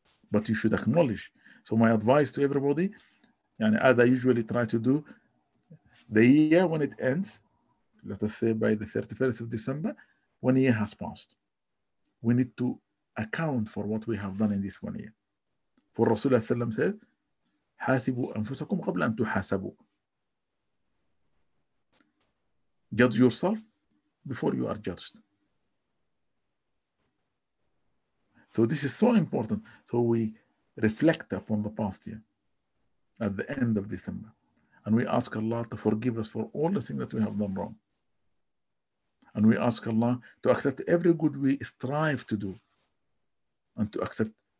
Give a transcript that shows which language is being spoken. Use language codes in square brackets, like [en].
[en] But you should acknowledge. So my advice to everybody, and as I usually try to do, the year when it ends, let us say by the 31st of December, 1 year has passed. We need to account for what we have done in this 1 year. For Rasulullah sallam said, [ar] حَاسِبُوا أَنفُسَكُمْ قَبْلَ أَن تُحَاسَبُوا. [en] Judge yourself before you are judged. So this is so important. So we reflect upon the past year at the end of December. And we ask Allah to forgive us for all the things that we have done wrong. And we ask Allah to accept every good we strive to do and to accept